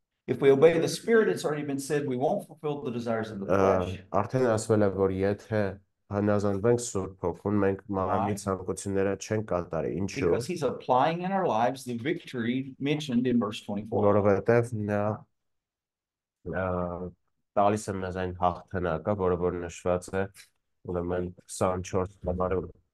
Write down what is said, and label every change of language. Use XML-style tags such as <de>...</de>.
<en>If we obey the Spirit, it's already been said, we won't fulfill the desires of the</en> <hy>հնազանդվենք Սուրբ Փոխուն, մենք մարմնի ցանկությունները չենք կատարի, ինչու՞։</hy> <en>Because he's applying in our lives the victory mentioned in verse 24.</en> <hy>Որովհետև նա տալիս է մեզ այն հաղթանակը, որը որ նշված է, ուրեմն 24 համարում։</hy>